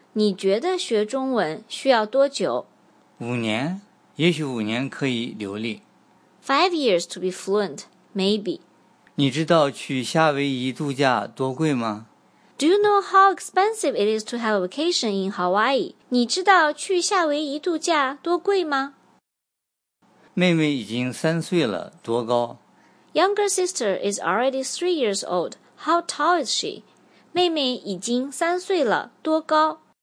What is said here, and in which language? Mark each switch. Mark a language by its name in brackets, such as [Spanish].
[Chinese] 你觉得学中文需要多久？ 5年？也许5年可以流利。 [English] 5 years to be fluent, maybe. [Chinese] 你知道去夏威夷度假多贵吗？ [English] Do you know how expensive it is to have a vacation in Hawaii? [Chinese] 你知道去夏威夷度假多贵吗？妹妹已经3岁了，多高？ [English] Younger sister is already 3 years old. How tall is she? [Chinese] 妹妹已经3岁了，多高？